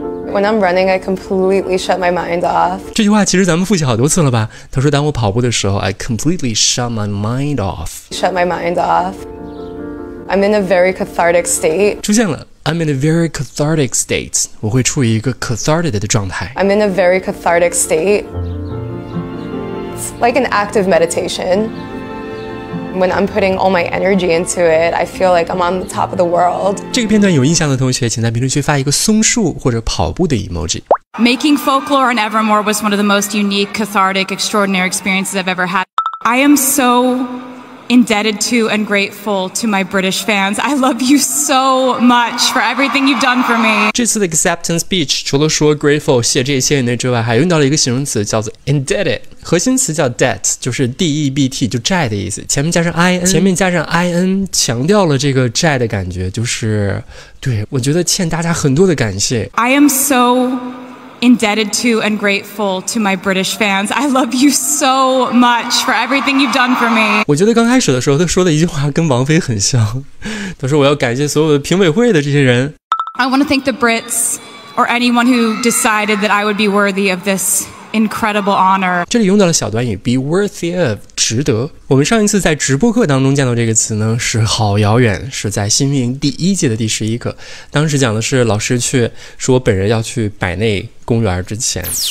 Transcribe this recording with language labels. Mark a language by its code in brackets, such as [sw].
[en] When I'm running, I completely shut my mind off. [zh] 这句话其实咱们复习好多次了吧？他说，当我跑步的时候 ， [en] I completely shut my mind off. Shut my mind off. I'm in a very cathartic state. [zh] 出现了。 [en] I'm in a very cathartic state. [zh] 我会处于一个 cathartic 的状态。 [en] I'm in a very cathartic state. It's like an active meditation. When I'm putting all my energy into it, I feel like I'm on the top of the world. [zh] 这个片段有印象的同学，请在评论区发一个松树或者跑步的 emoji。 [en] Making folklore in Evermore was one of the most unique, cathartic, extraordinary experiences I've ever had. I am so indebted to and grateful to my British fans. I love you so much for everything you've done for me. [zh] 这次的 acceptance speech 除了说 grateful 谢这些人之外，还用到了一个形容词叫做 indebted， 核心词叫 debt， 就是 debt， 就债的意思。前面加上 in， 前面加上 in， 强调了这个债的感觉，就是对我觉得欠大家很多的感谢。 [en] I am so. Indebted to and grateful to my British fans. I love you so much for everything you've done for me. [zh] 我觉得刚开始的时候他说的一句话跟王菲很像，他说我要感谢所有的评委会的这些人。 [en] I want to thank the Brits or anyone who decided that I would be worthy of this incredible honor. [zh] 这里用到了小短语 be worthy of，值得。我们上一次在直播课当中见到这个词呢，是好遥远，是在新英第一季的第11课，当时讲的是老师去说本人要去百内公园之前。